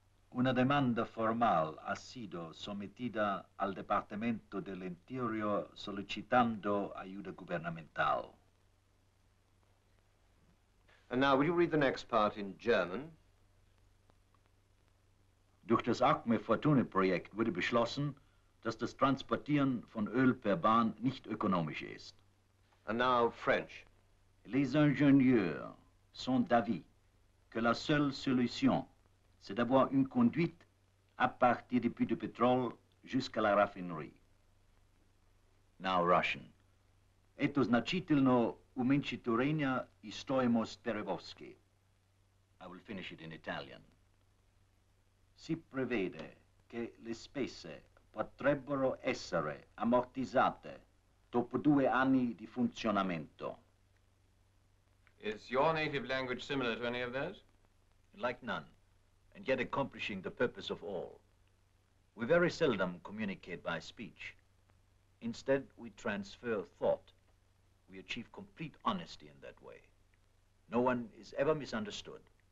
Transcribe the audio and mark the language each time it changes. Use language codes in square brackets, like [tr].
[es] Una demanda formal ha sido sometida al Departamento del Interior solicitando ayuda gubernamental. [en] And now, will you read the next part in German? [de] Durch das ACME-Fortune-Projekt wurde beschlossen, dass das Transportieren von Öl per Bahn nicht ökonomisch ist. [en] And now, French. [fr] Les ingénieurs sont d'avis que la seule solution c'est d'avoir une conduite à partir des puits de pétrole jusqu'à la raffinerie. [en] Now, Russian. [ru] Это значительно уменьшение и стоимость перевозки. [en] I will finish it in Italian. [it] Si prevede che le spese potrebbero essere ammortizzate dopo due anni di funzionamento. [en] Is your native language similar to any of those? Like none, and yet accomplishing the purpose of all. We very seldom communicate by speech. Instead, we transfer thought. We achieve complete honesty in that way. No one is ever misunderstood.